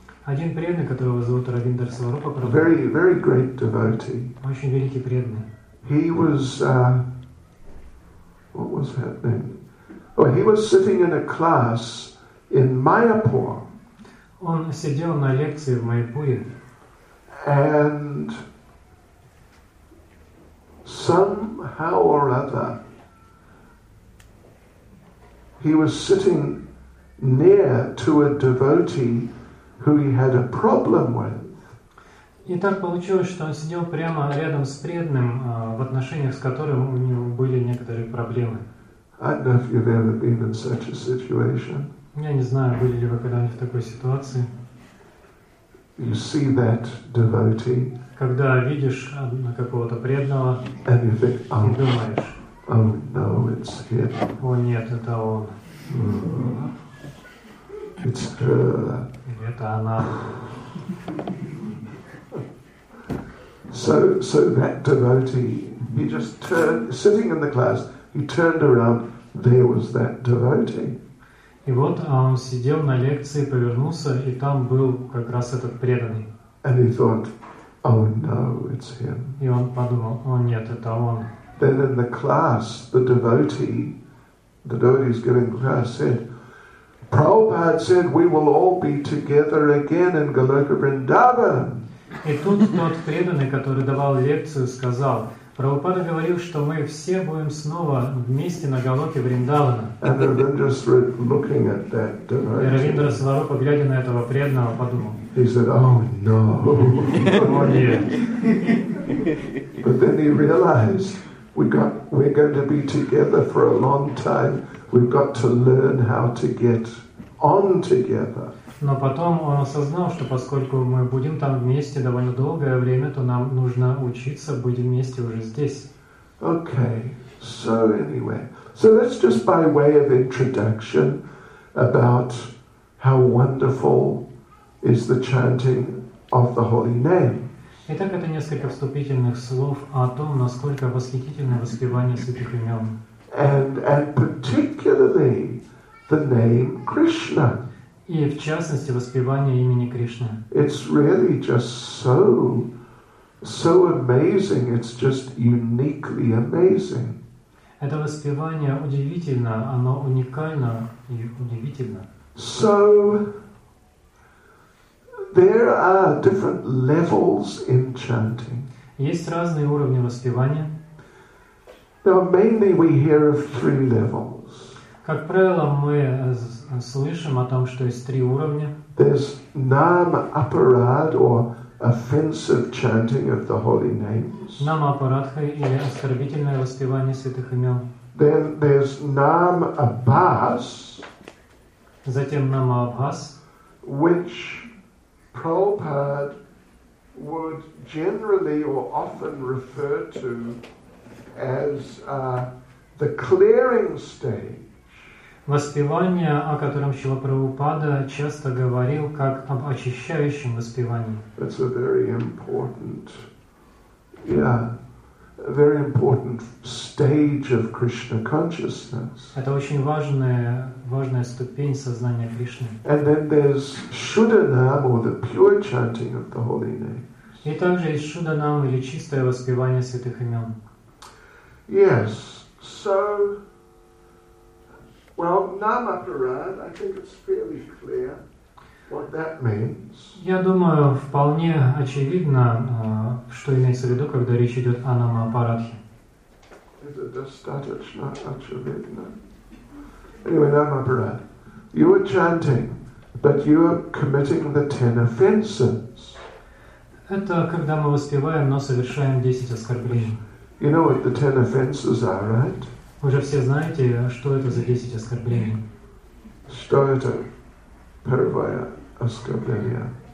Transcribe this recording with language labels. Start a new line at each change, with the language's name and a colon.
Russian: Один преданный, которого зовут Равиндра Сварупа Прабху.
English: A very, very great devotee.
Russian: Очень великий преданный.
English: He was, what was that name? Oh, he was sitting in a class in Mayapur.
Russian: Он сидел на лекции в Майяпуре.
English: And somehow or other, he was sitting near to a devotee who he had a problem with.
Russian: И так получилось, что он сидел прямо рядом с преданным, в отношениях с которым у него были некоторые проблемы.
English: I don't know if you've ever been in such a situation.
Russian: Я не знаю, были ли вы когда-нибудь в такой ситуации.
English: You see that devotee.
Russian: Когда видишь какого-то преданного,
English: and you think, oh,
Russian: и думаешь,
English: oh no, it's him.
Russian: О нет, это он.
English: It's her.
Russian: Это она.
English: So that devotee, he just turned, sitting in the class, he turned around, there was that devotee.
Russian: И вот он сидел на лекции, повернулся, и там был как раз этот преданный.
English: And he thought, oh no, it's him.
Russian: И он подумал, о нет, это он.
English: Then in the class, the devotee is giving class, said, Prabhupada said we will all be together again in Goloka Vrindavan.
Russian: И тут тот преданный, который давал лекцию, сказал, Прабхупада говорил, что мы все будем снова вместе на Голоке Вриндавана.
English: And Ravindra Swarup looking at that devotee.
Russian: И Ravindra Swarup, глядя на этого преданного, подумал.
English: He said, oh no.
Russian: О нет.
English: But then he realized we're going to be together for a long time. We've got to learn how to get on together.
Russian: Но потом он осознал, что поскольку мы будем там вместе довольно долгое время, то нам нужно учиться быть вместе уже здесь.
English: Okay. So anyway, so that's just by way of introduction about how wonderful is the chanting of the holy name.
Russian: Итак, это несколько вступительных слов о том, насколько восхитительное воспевание святых имен.
English: And particularly the name Krishna.
Russian: И в частности воспевание имени Кришны.
English: It's really just so, so amazing. It's just uniquely amazing.
Russian: Это воспевание удивительно, оно уникально и удивительно.
English: So there are different levels in chanting.
Russian: Есть разные уровни воспевания.
English: Now, mainly we hear of three levels.
Russian: Как правило, мы слышим о том, что есть три уровня.
English: There's nam aparad or offensive chanting of the holy names.
Russian: Нам апарадха или оскорбительное воспевание святых имен.
English: Then there's nam abhas.
Russian: Затем нам абхас.
English: Which Prabhupada would generally or often refer to as the clearing stage.
Russian: Воспевание, о котором Шрила Прабхупада часто говорил, как об очищающем воспевании.
English: It's a very important, yeah, a very important stage of Krishna consciousness.
Russian: Это очень важная ступень сознания Кришны.
English: And then there's Shuddhanam, or the pure chanting of the holy names.
Russian: И также есть Шуддханам, или чистое воспевание святых имен.
English: Yes, so. Well, namaparad, I think it's fairly clear what that means.
Russian: Я думаю, вполне очевидно, что имеется в виду, когда речь идет о намапарадхе. Это достаточно очевидно.
English: Anyway, namaparad. You are chanting, but you are committing the 10 offenses.
Russian: Это когда мы воспеваем, но совершаем 10 оскорблений.
English: You know what the 10 offenses are, right?
Russian: Вы же все знаете, что это за 10 оскорблений. Что это первое оскорбление?